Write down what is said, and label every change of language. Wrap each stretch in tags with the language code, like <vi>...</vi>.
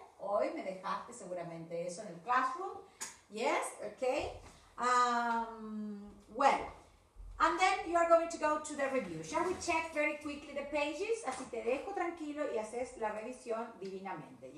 <es>Hoy me dejaste seguramente eso en el classroom.</es> <en>Yes, okay. Well, and then you are going to go to the review. Shall we check very quickly the pages?</en> <es>Así te dejo tranquilo y haces la revisión divinamente.</es>